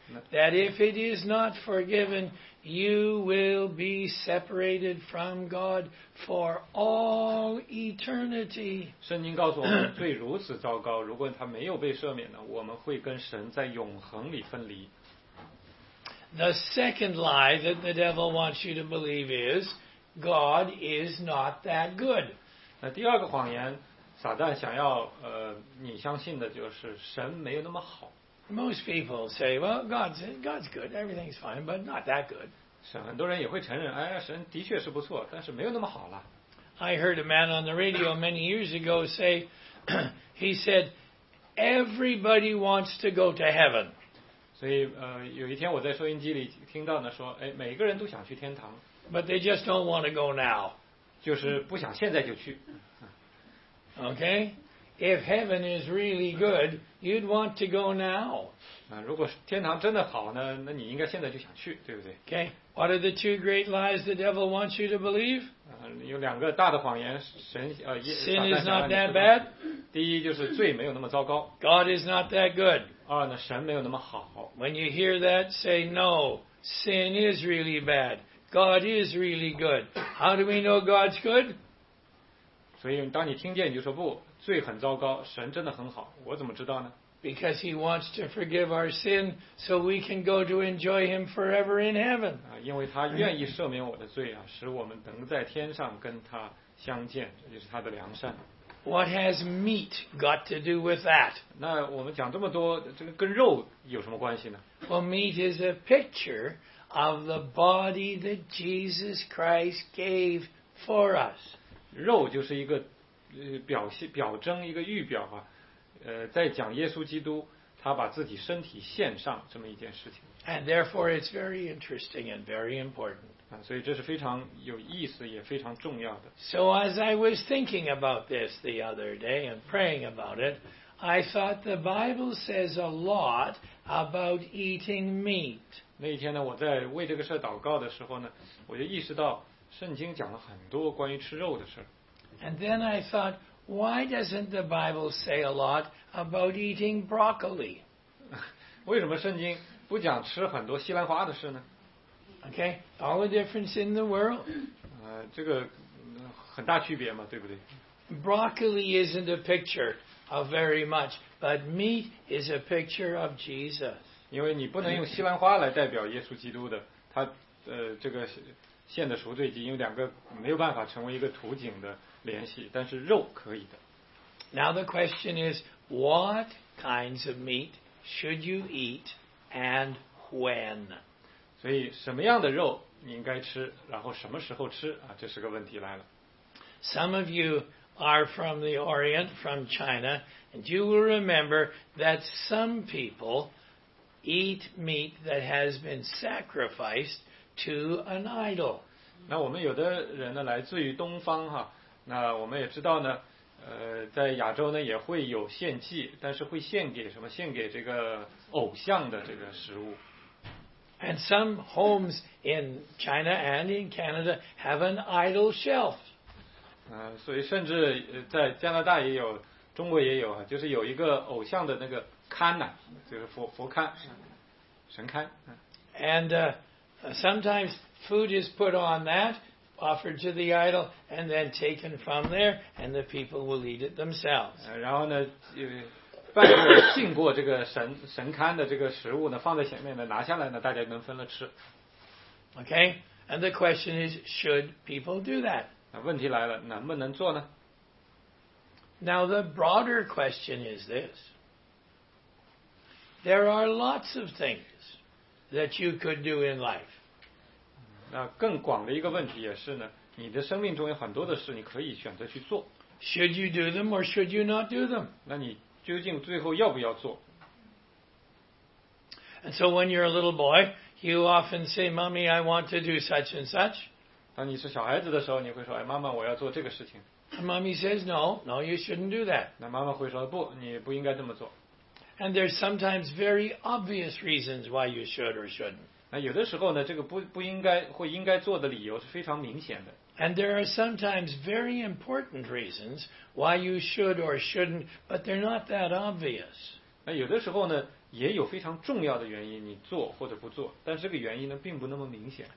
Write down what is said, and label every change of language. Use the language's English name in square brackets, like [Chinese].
[English] That if it is not forgiven, you will be separated from God for all eternity. [Chinese] 圣经告诉我们，罪如此糟糕，如果他没有被赦免呢，我们会跟神在永恒里分离。 [English] The second lie that the devil wants you to believe is, God is not that good. [Chinese] 那第二个谎言，撒旦想要你相信的就是神没有那么好。 [English] Most people say, well, God's good, everything's fine, but not that good. [Chinese] 很多人也会承认，哎呀，神的确是不错，但是没有那么好了。 [English] I heard a man on the radio many years ago say, he said, everybody wants to go to heaven. [Chinese] 所以有一天我在收音机里听到呢，说，哎，每个人都想去天堂。 [English] But they just don't want to go now. [Chinese] 就是不想现在就去。 [English] Okay? If heaven is really good, you'd want to go now. [Chinese] 如果天堂真的好呢，那你应该现在就想去，对不对？ [English] Okay. What are the two great lies the devil wants you to believe? [Chinese] 有两个大的谎言，神 [English] Sin is not that bad. [Chinese] 第一就是罪没有那么糟糕。 [English] God is not that good. [Chinese] 二呢，神没有那么好。 [English] When you hear that, say no. Sin is really bad. God is really good. How do we know God's good? [Chinese] 所以当你听见，你就说不。罪很糟糕，神真的很好，我怎么知道呢？ [English] Because he wants to forgive our sin so we can go to enjoy him forever in heaven. [Chinese] 因为他愿意赦免我的罪啊，使我们能在天上跟他相见，这就是他的良善。 [English] What has meat got to do with that? [Chinese] 那我们讲这么多，这个跟肉有什么关系呢？ [English] Well, meat is a picture of the body that Jesus Christ gave for us. [Chinese] 肉就是一个表征一个预表啊，在讲耶稣基督他把自己身体献上这么一件事情。 [English] And therefore it's very interesting and very important. [Chinese] 所以这是非常有意思也非常重要的。 [English] So as I was thinking about this the other day and praying about it, I thought the Bible says a lot about eating meat. [Chinese] 那一天呢，我在为这个事祷告的时候呢，我就意识到圣经讲了很多关于吃肉的事。 [English] And then I thought, why doesn't the Bible say a lot about eating broccoli? [Chinese] 为什么圣经不讲吃很多西兰花的事呢？ [English] Okay, all the difference in the world. [Chinese] 这个很大区别嘛，对不对？ [English] Broccoli isn't a picture of very much, but meat is a picture of Jesus. [Chinese] 因为你不能用西兰花来代表耶稣基督的他这个献的赎罪祭，因为两个没有办法成为一个图景的联系，但是肉可以的。 [English] Now the question is, what kinds of meat should you eat and when? [Chinese] 所以什么样的肉你应该吃，然后什么时候吃啊？这是个问题来了。 [English] Some of you are from the Orient, from China, and you will remember that some people eat meat that has been sacrificed to an idol. [Chinese] 那我们有的人呢，来自于东方哈，那我们也知道呢，在亚洲呢也会有献祭，但是会献给什么？献给这个偶像的这个食物。 [English] And some homes in China and in Canada have an idol shelf. [Chinese] 所以甚至在加拿大也有，中国也有，就是有一个偶像的那个龛呐，就是佛龛，神龛。 [English] And sometimes food is put on that, offered to the idol, and then taken from there, and the people will eat it themselves. [Chinese] 然后呢，拜过敬过这个神龛的这个食物呢，放在前面呢，拿下来呢，大家能分了吃。 [English] Okay, and the question is, should people do that? [Chinese] 问题来了，能不能做呢？ [English] Now the broader question is this. There are lots of things that you could do in life. [Chinese] 那更广的一个问题也是呢，你的生命中有很多的事你可以选择去做。 [English] Should you do them or should you not do them? [Chinese] 那你究竟最后要不要做？ [English] And so when you're a little boy, you often say, Mommy, I want to do such and such. [Chinese] 当你是小孩子的时候，你会说，哎，妈妈，我要做这个事情。 [English] And Mommy says, no, you shouldn't do that. [Chinese] 那妈妈会说，不，你不应该这么做。 [English] And there's sometimes very obvious reasons why you should or shouldn't. [Chinese] 那有的时候呢，这个不应该或应该做的理由是非常明显的。 [English] And there are sometimes very important reasons why you should or shouldn't, but they're not that obvious. [Chinese] 那有的时候呢，也有非常重要的原因你做或者不做，但这个原因呢，并不那么明显。